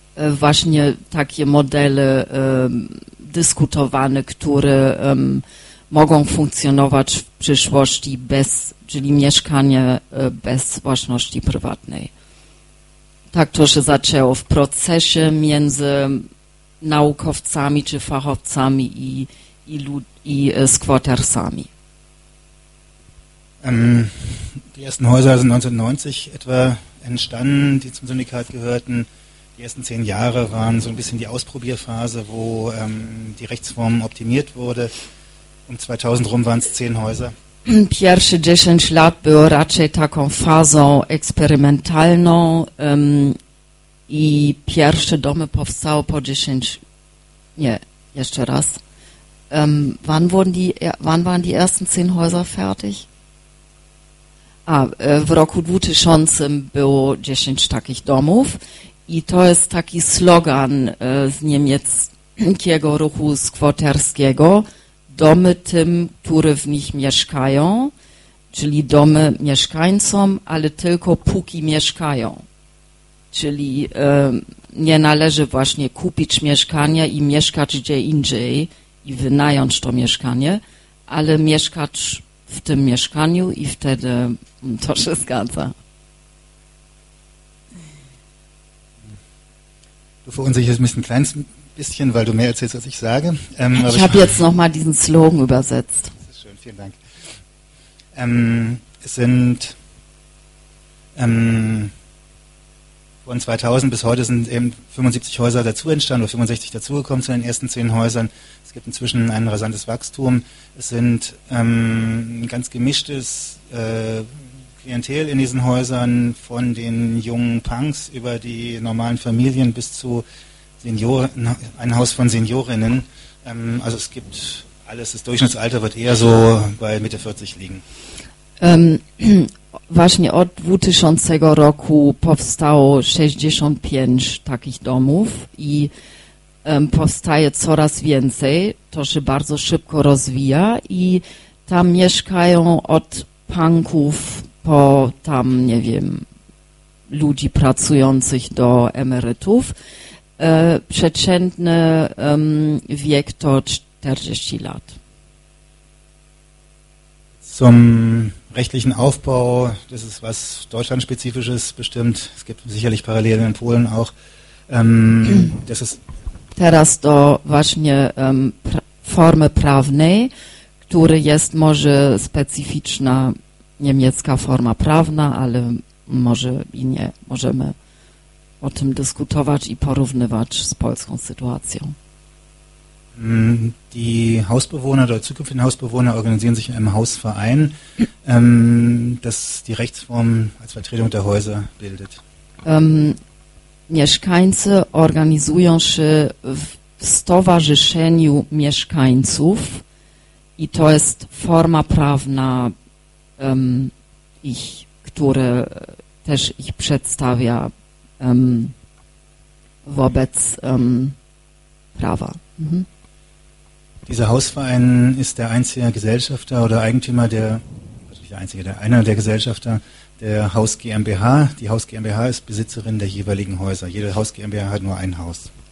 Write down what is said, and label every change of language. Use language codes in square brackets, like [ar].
[pl] właśnie takie modele dyskutowane, które mogą funkcjonować w przyszłości bez, czyli mieszkanie bez własności prywatnej. Tak to się zaczęło w procesie między naukowcami czy fachowcami i squattersami. [de] Die ersten Häuser sind 1990 etwa entstanden, die zum Syndikat gehörten. Die ersten 10 Jahre waren so ein bisschen die Ausprobierphase, wo die Rechtsform optimiert wurde. Um 2000 rum waren es 10 Häuser. [pl] Pierwsze 10 lat było raczej taką fazą eksperymentalną i pierwsze domy powstały po 10... Nie, jeszcze raz. [de] Wann waren die ersten 10 Häuser fertig? [pl] W roku 2000 było 10 takich domów i to jest taki slogan z niemieckiego ruchu skwoterskiego: domy tym, które w nich mieszkają, czyli domy mieszkańcom, ale tylko póki mieszkają. Czyli nie należy właśnie kupić mieszkania i mieszkać gdzie indziej i wynająć to mieszkanie, ale mieszkać w tym mieszkaniu i wtedy to się zgadza. [de] Du verunsicherst mich ein kleines bisschen, weil du mehr erzählst, als ich sage. Ich habe jetzt nochmal diesen Slogan übersetzt. Das ist schön, vielen Dank. Es sind von 2000 bis heute sind eben 75 Häuser dazu entstanden oder 65 dazugekommen zu den ersten 10 Häusern. Es gibt inzwischen ein rasantes Wachstum. Es sind ein ganz gemischtes Klientel in diesen Häusern, von den jungen Punks über die normalen Familien bis zu Senioren, ein Haus von Seniorinnen. Also es gibt alles, das Durchschnittsalter wird eher so bei Mitte 40 liegen. [pl] Właśnie od 2000 roku powstało 65 takich domów i powstaje coraz więcej. To się bardzo szybko rozwija i tam mieszkają od punków po tam, nie wiem, ludzi pracujących do emerytów. Przeciętny wiek to 40 lat. [de] Zum rechtlichen Aufbau, das ist was Deutschlandspezifisches bestimmt, es gibt sicherlich Parallelen in Polen auch. Das ist [pl] teraz do właśnie formy prawnej, który jest może specyficzna niemiecka forma prawna, ale może i nie, możemy o tym dyskutować i porównywać z polską sytuacją. [de] Die Hausbewohner oder zukünftigen Hausbewohner organisieren sich in einem Hausverein, das die Rechtsform als Vertretung der Häuser bildet. [pl] Mieszkańcy organizują się w stowarzyszeniu mieszkańców i to jest forma prawna ich, które też ich przedstawia wobec prawa. Mhm. [de] Dieser Hausverein ist der einzige Gesellschafter oder Eigentümer der, natürlich der einzige, der einer der Gesellschafter der Haus GmbH. Die Haus GmbH ist Besitzerin der jeweiligen Häuser. Jede Haus GmbH hat nur ein Haus.